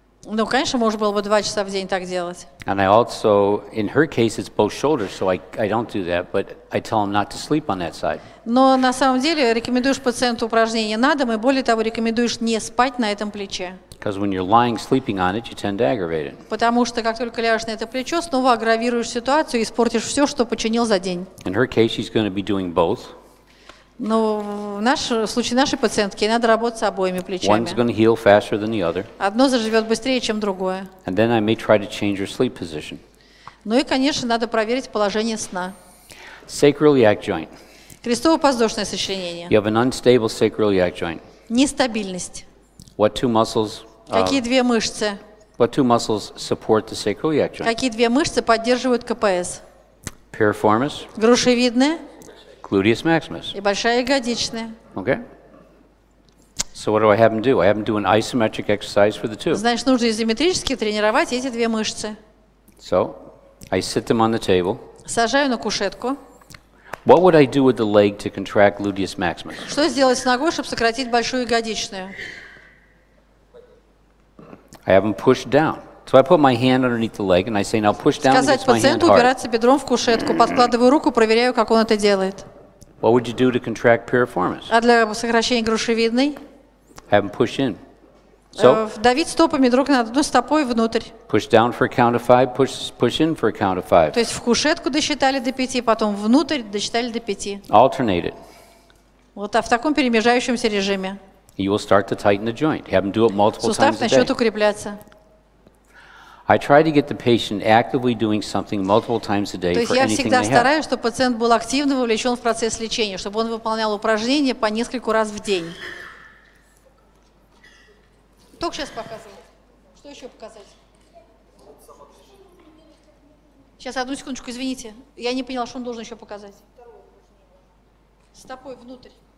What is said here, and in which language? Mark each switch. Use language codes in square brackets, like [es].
[ru] Ну, конечно, можно было бы 2 часа в день так делать. [en] And I also, in her case, it's both shoulders, so I don't do that, but I tell them not to sleep on that side. [ru] Но на самом деле рекомендуешь пациенту упражнения на дом, и более того, рекомендуешь не спать на этом плече. [en] Because when you're lying sleeping on it, you tend to aggravate it. [ru] Потому что как только ляжешь на это плечо, снова агравируешь ситуацию и испортишь все, что починил за день. [en] In her case, she's going to be doing both. [ru] Но в случае нашей пациентки ей надо работать с обоими плечами. [en] One's going to heal faster than the other. [ru] Одно заживет быстрее, чем другое. [en] And then I may try to change her sleep position. [ru] Ну и, конечно, надо проверить положение сна. [en] Sacroiliac joint. [ru] Крестово-подвздошное сочленение. [en] You have an unstable sacroiliac joint. [ru] Нестабильность. [en] What two muscles? [ru] Какие две мышцы? [en] What two muscles support the sacroiliac joint? [ru] Какие две мышцы поддерживают КПС? [en] Piriformis. [ru] Грушевидная. [en] Gluteus maximus. [ru] И большая ягодичная. [en] Okay. So what do I have him do? I have him do an isometric exercise for the two. [ru] Значит, нужно изометрически тренировать эти две мышцы. [en] So, I sit them on the table. [ru] Сажаю на кушетку. [en] What would I do with the leg to contract gluteus maximus? [ru] Что сделать с ногой, чтобы сократить большую ягодичную? [en] I have him push down. So I put my hand underneath the leg and I say, now push down against my hand. [ru] Сказать пациенту упираться бедром в кушетку, подкладываю руку, проверяю, как он это делает. [en] What would you do to contract piriformis? [ru] А для сокращения грушевидной? [en] Have him push in. So. [ru] Давить стопами друг на друга, стопой внутрь. [en] Push down for a count of five. Push in for a count of five. [ru] То есть в кушетку досчитали до пяти, потом внутрь досчитали до пяти. [en] Alternate it. [ru] Вот, а в таком перемежающемся режиме. [en] You will start to tighten the joint. Have him do it multiple day. [ru] Сустав начнет укрепляться. [en] I try to get the patient actively doing something multiple times a day for anything they have. [ru] То есть я всегда стараюсь, чтобы пациент был активно вовлечен в процесс лечения, чтобы он выполнял упражнения по нескольку раз в день. Только сейчас показывает. Что еще показать? Сейчас, одну секундочку, извините. Я не поняла, что он должен еще показать. Стопой внутрь.